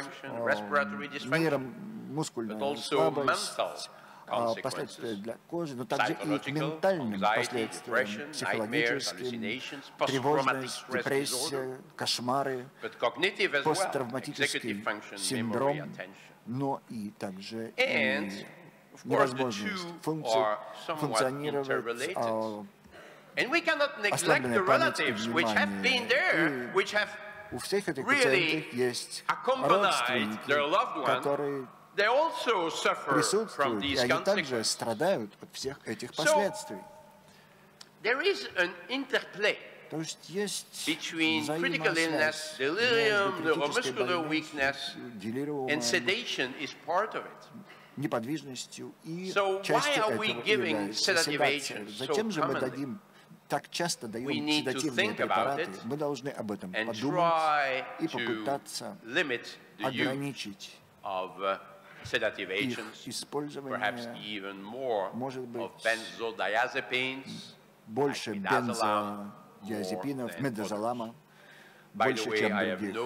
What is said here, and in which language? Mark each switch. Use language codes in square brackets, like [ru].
[ru] нейромускульная слабость, последствия для кожи, но также и ментальным последствиям, психологическим, тревожность, депрессия, кошмары, посттравматический синдром, но и также и невозможность функционировать [en] And we cannot neglect the relatives which have been there, which have really accompanied their loved one. They also suffer from these consequences. So, there is an interplay between critical illness, delirium, neuromuscular weakness, and sedation is part of it. So why are we giving sedative agents so commonly? [ru] Так часто даем седативные препараты, мы должны об этом подумать и попытаться ограничить их использование, может быть, больше бензодиазепинов, медазолама, больше, чем других.